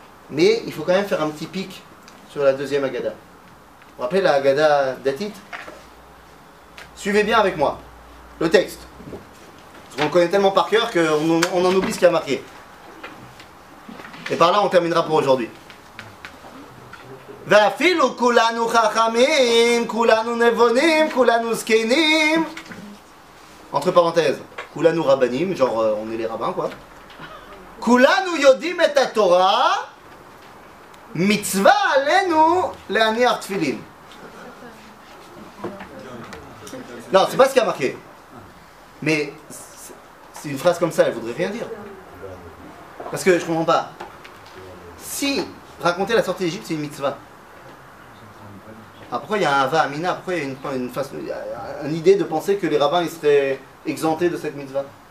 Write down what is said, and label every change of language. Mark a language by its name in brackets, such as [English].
[French] Mais il faut quand même faire un petit pic sur la deuxième Agada. Vous vous rappelez la Agada d'Atit? Suivez bien avec moi le texte. Parce qu'on le connaît tellement par cœur qu'on en oublie ce qu'il y a marqué. Et par là, on terminera pour aujourd'hui. [Hebrew] ואפילו כולנו חכמים, כולנו נבונים, כולנו זקנים. [French] Entre parenthèses, [Hebrew] כולנו רבנים, [French] genre on est les rabbins quoi. [Hebrew] כולנו יודעים את התורה, מצווה עלינו להניח תפילין. [French] Non, c'est pas ce qu'il y a marqué. Mais c'est une phrase comme ça, elle voudrait rien dire. Parce que je comprends pas. Si raconter la sortie d'Égypte c'est une mitzvah. Ah, pourquoi il y a un Hava Amina? Pourquoi il y a une idée de penser que les rabbins ils seraient exemptés de cette mitzvah?